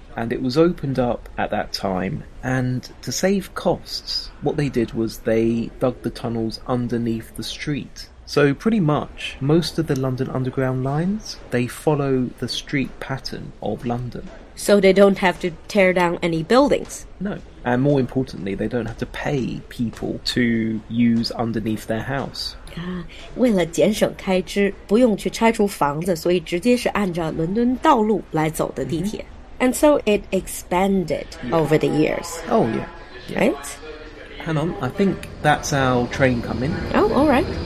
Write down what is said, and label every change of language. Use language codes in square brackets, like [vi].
[en] And it was opened up at that time. And to save costs, what they did was they dug the tunnels underneath the street. So pretty much, most of the London Underground lines, they follow the street pattern of London. So they don't have to tear down any buildings? No. And more importantly, they don't have to pay people to use underneath their house. [zh] 为了节省开支，不用去拆除房子，所以直接是按照伦敦道路来走的地铁。 [en] And so it expanded over the years. Oh, yeah. Right? Hang on, I think that's our train coming. Oh, all right.